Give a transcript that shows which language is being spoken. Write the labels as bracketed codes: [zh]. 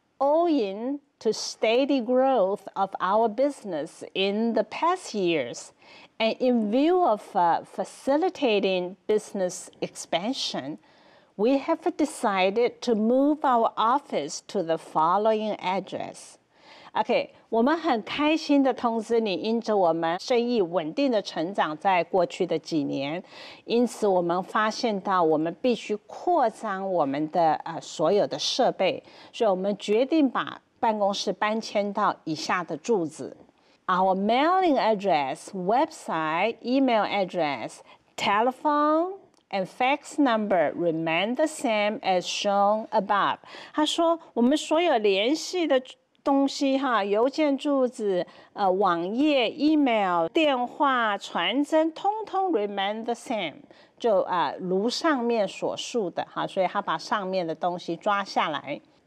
[en] owing to steady growth of our business in the past years, and in view of facilitating business expansion, we have decided to move our office to the following address. [zh] OK, 我们很开心地通知你，因着我们生意稳定的成长在过去的几年，因此我们发现到我们必须扩张我们的所有的设备，所以我们决定把办公室搬迁到以下的住址。 [en] Our mailing address, website, email address, telephone, and fax number remain the same as shown above. [zh] 他说我们所有联系的东西哈，邮件住址、网页、email、电话、传真，通通 [en] remain the same， [zh] 就如上面所述的哈，所以他把上面的东西抓下来。